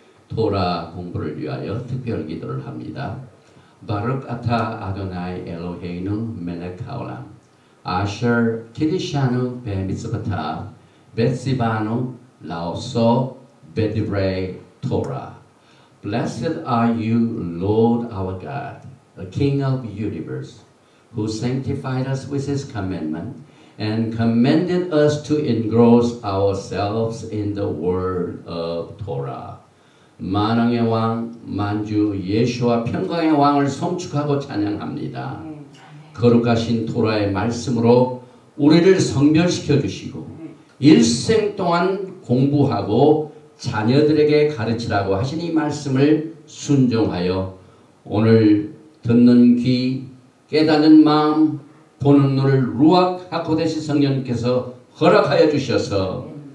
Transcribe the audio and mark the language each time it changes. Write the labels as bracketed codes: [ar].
[ko] 토라 공부를 위하여 특별 기도를 합니다. [he] 바룩 아타 아도나이 엘로헤이누 멜렉 하올람 아셔 키디샤누 베미스바타 베시바누 라오소 베디브레이 토라. [en] Blessed are you, Lord our God, the King of the universe, who sanctified us with his commandment and commanded us to engross ourselves in the word of Torah. [ko] 만왕의 왕, 만주 예수와 평강의 왕을 송축하고 찬양합니다. 거룩하신 토라의 말씀으로 우리를 성별시켜 주시고 일생 동안 공부하고 자녀들에게 가르치라고 하신 이 말씀을 순종하여 오늘 듣는 귀, 깨닫는 마음, 보는 눈을 루악 하코데시 성령께서 허락하여 주셔서